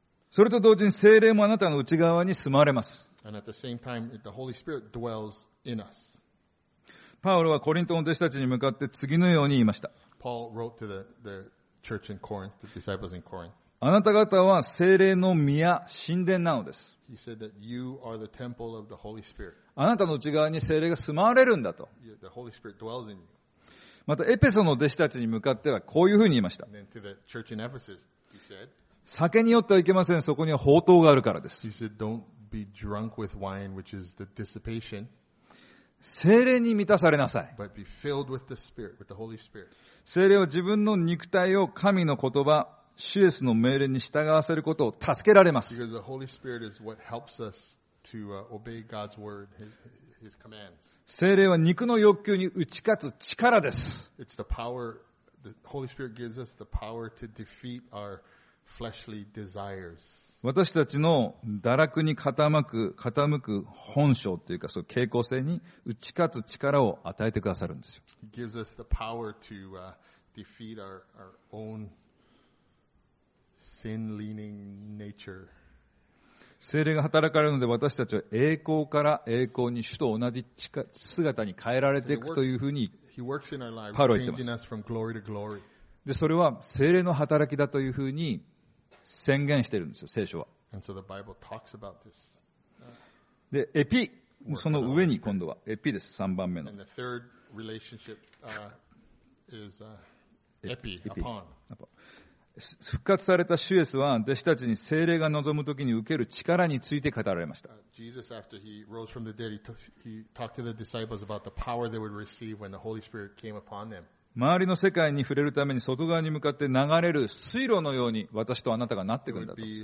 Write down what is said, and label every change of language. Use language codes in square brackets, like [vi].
[ja] それと同時に聖霊もあなたの内側に住まわれます。 [en] And at the same time, the Holy Spirit dwells in us. [ja] パウロはコリントの弟子たちに向かって次のように言いました。 [en] Paul wrote to the Church in Corinth, the disciples in Corinth. [ja] あなた方は聖霊の宮、神殿なのです。 [en] He said that you are the temple of the Holy Spirit. [ja] あなたの内側に聖霊が住まわれるんだと。 [en] Yeah, the Holy Spirit dwells in you. [ja] また、エペソの弟子たちに向かってはこういうふうに言いました。 [en] And then to the church in Ephesus, he said, [ja] 酒によってはいけません。そこには放蕩があるからです。 [en] He said, don't be drunk with wine, which is the dissipation. [ja] 聖霊に満たされなさい。 [en] But be filled with the Spirit, with the Holy Spirit. [ja] 聖霊は自分の肉体を神の言葉、主イエスの命令に従わせることを助けられます。 [en] Because the Holy Spirit is what helps us to obey God's word, His commands. [ja] 聖霊は肉の欲求に打ち勝つ力です。 [en] It's the power, the Holy Spirit gives us the power to defeat our fleshly desires. [ja] 私たちの堕落に傾く本性というか、その傾向性に打ち勝つ力を与えてくださるんですよ。 [en] He gives us the power to defeat our own sin-leaning nature. [ja] 聖霊が働かれるので、私たちは栄光から栄光に主と同じ姿に変えられていくというふうに、パウロは言っています。 [en] Changing us from glory to glory. [ja] で、それは聖霊の働きだというふうに、宣言してるんですよ、聖書は。 [en] And so the Bible talks about this. [ja] で、エピ、その上に今度は、エピです、3番目の。 [en] And the third relationship, is, epi, upon. [ja] 復活された主イエスは、弟子たちに聖霊が望むときに受ける力について語られました。 [en] Jesus, after he rose from the dead, he talked to the disciples about the power they would receive when the Holy Spirit came upon them. [ja] 周りの世界に触れるために外側に向かって流れる水路のように私とあなたがなってくるんだと。